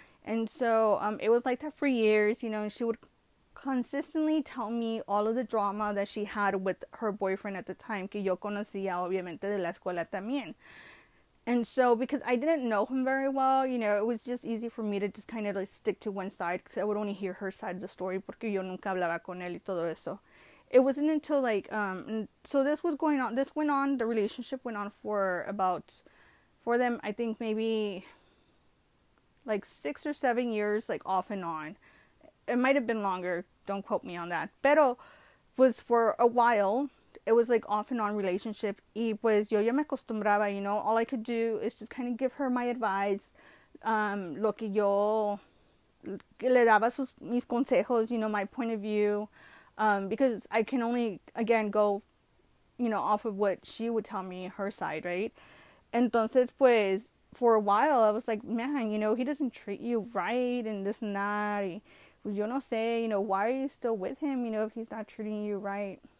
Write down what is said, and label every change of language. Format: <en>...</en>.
<en>And so it was like that for years, and she would consistently tell me all of the drama that she had with her boyfriend at the time,</en> <es>que yo conocía obviamente de la escuela también.</es> <en>And so, because I didn't know him very well, it was just easy for me to just kind of like stick to one side because I would only hear her side of the story.</en> <es>Porque yo nunca hablaba con él y todo eso.</es> <en>It wasn't until so this was going on, this went on, the relationship went on for them, I think maybe like 6 or 7 years, like off and on. It might have been longer, don't quote me on that. Pero was for a while. It was like off and on relationship.</en> <es>Y pues yo ya me acostumbraba,</es> <en>all I could do is just kind of give her my advice.</en> <es>Lo que yo le daba sus mis consejos,</es> <en>my point of view. Because I can only, again, go, off of what she would tell me, her side, right? Entonces, pues, for a while, I was like, man, he doesn't treat you right and this and that.</en> <es>Y, pues yo no sé,</es> <en>why are you still with him, if he's not treating you right?</en>